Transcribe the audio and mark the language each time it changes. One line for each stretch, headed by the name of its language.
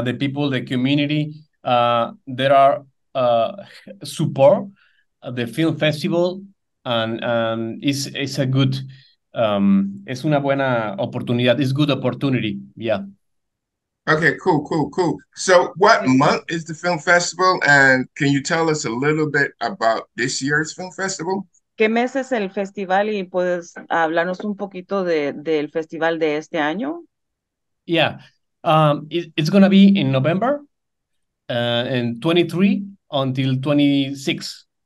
English: The people, the community, there are support the film festival, and it's a good,
Spanish: es una buena oportunidad.
English: It's good opportunity. Yeah. Okay, cool, cool, cool. So what month is the film festival? And can you tell us a little bit about this year's film festival?
Spanish: ¿Qué mes es el festival y puedes hablarnos un poquito del festival de este año?
English: Yeah, it's going to be in November and 23 until 26.